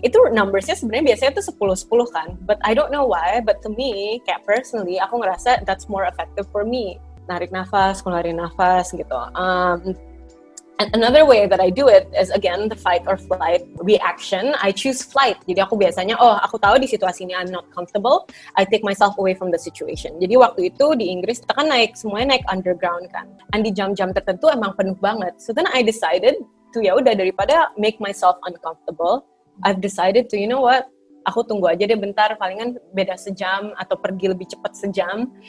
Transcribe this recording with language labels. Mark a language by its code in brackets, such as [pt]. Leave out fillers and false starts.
[id] Itu numbersnya sebenarnya biasanya itu 10-10 kan. [en] But I don't know why. But to me, kayak personally, [id] aku ngerasa [en] that's more effective for me. [id] Narik nafas, ngeluarin nafas gitu. [en] And another way that I do it is again the fight or flight reaction. I choose flight. [id] Jadi aku biasanya, oh aku tahu di situasi ini [en] I'm not comfortable. I take myself away from the situation. [id] Jadi waktu itu di Inggris, kita kan naik, semuanya naik underground kan. And di jam-jam tertentu emang penuh banget. [en] So then I decided to, [id] ya udah daripada [en] make myself uncomfortable, I've decided to, you know what, [id] aku tunggu aja deh bentar, palingan beda sejam atau pergi lebih cepat sejam.